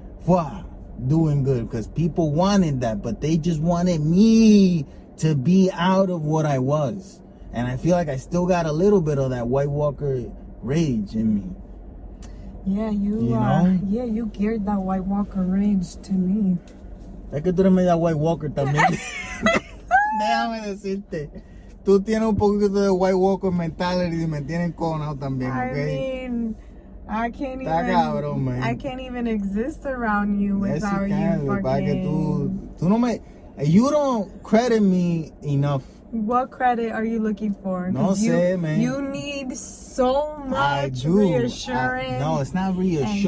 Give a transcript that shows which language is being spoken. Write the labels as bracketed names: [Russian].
[English] Fwa, doing good, because people wanted that, but they just wanted me to be out of what I was. And I feel like I still got a little bit of that White Walker rage in me. Yeah, you geared that White Walker rage to me. [Spanish] Es que tú eres media White Walker también. Déjame decirte. Tú tienes un poquito de White Walker mentality y me tienes cojonado también, okay? [English] I mean, I can't even. [Spanish] Cabrón, man. [English] I can't even exist around you without you fucking. [Spanish] Para que tú no me. [English] You don't credit me enough. What credit are you looking for? [Spanish] No sé, man. [English] You need so much reassurance. No, it's not reassurance.